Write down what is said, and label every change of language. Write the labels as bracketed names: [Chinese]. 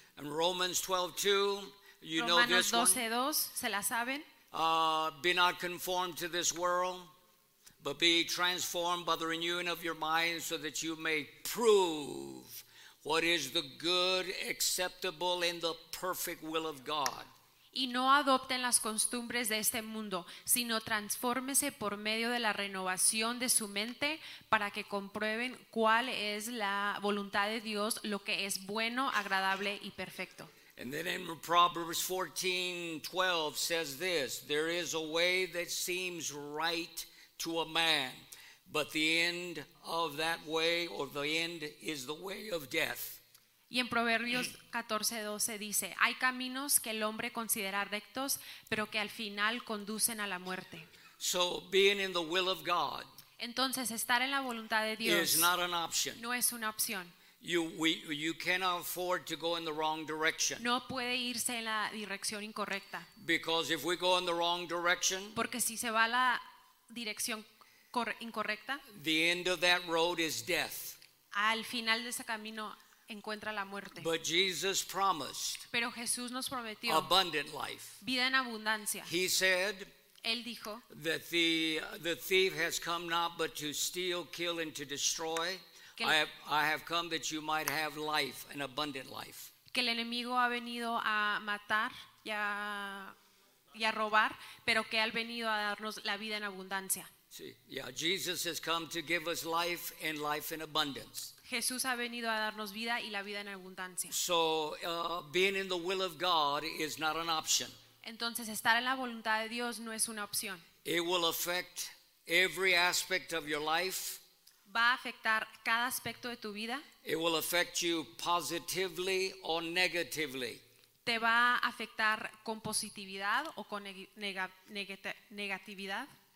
[English] In Romans 12:2, you know this one. Romanos [Spanish] 12:2, ¿se la saben? [English] Be not conformed to this world, but be transformed by the renewing of your mind so that you may prove what is the good, acceptable, and the perfect will of God. [Spanish] Y no adopten las costumbres de este mundo, sino transfórmese por medio de la renovación de su mente para que comprueben cuál es la voluntad de Dios, lo que es bueno, agradable y perfecto. [English] And then in Proverbs 14:12 says this, there is a way that seems right to a man, but the end of that way, or the end, is the way of death. [Spanish] Y en Proverbios 14:12 dice, hay caminos que el hombre considera rectos, pero que al final conducen a la muerte. [English] So, being in the will of God, [Spanish] entonces, estar en la voluntad de Dios [English] is not an option. [Spanish] No es una opción. [English] You cannot afford to go in the wrong direction. [Spanish] No puede irse en la dirección incorrecta. [English] Because if we go in the wrong direction, [Spanish] porque si se va la dirección incorrecta, [English] the end of that road is death. [Spanish] Al final de ese camino encuentra la muerte. [English] But Jesus promised, [Spanish] pero Jesús nos prometió, [English] abundant life. [Spanish] Vida en abundancia. [English] He said, [Spanish] él dijo, [English] that the thief has come not but to steal, kill, and to destroy. I have come that you might have life, an abundant life. [Spanish] Que el enemigo ha venido a matar y a robar, pero que ha venido a darnos la vida en abundancia. [English] Yeah, Jesus has come to give us life and life in abundance. [Spanish] Jesús ha venido a darnos vida y la vida en abundancia. [English] So, being in the will of God is not an option. [Spanish] Entonces, estar en la voluntad de Dios no es una opción. [English] It will affect every aspect of your life. [Spanish] Va a afectar cada aspecto de tu vida. [English] It will affect you positively or negatively. [Spanish] Te va a afectar con positividad o con negatividad.